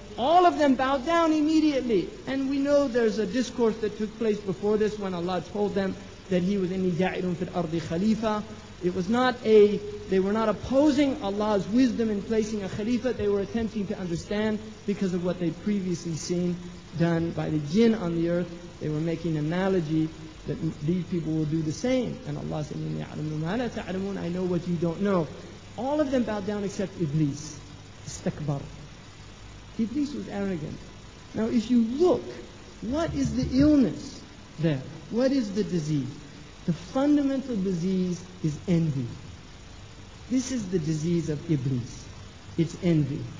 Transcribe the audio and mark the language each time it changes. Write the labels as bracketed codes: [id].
[en] All of them bowed down immediately. And we know there's a discourse that took place before this when Allah told them that He was [ar] inni ja'ilun fil ardi khalifa. [en] It was not they were not opposing Allah's wisdom in placing a khalifa. They were attempting to understand because of what they'd previously seen done by the jinn on the earth. They were making an analogy that these people will do the same. And Allah said, [ar] إِنِّي أَعْلَمُ مَا لَا تَعْلَمُونَ. [en] I know what you don't know. All of them bowed down except Iblis. Istakbar. Iblis was arrogant. Now if you look, what is the illness there? What is the disease? The fundamental disease is envy. This is the disease of Iblis. It's envy.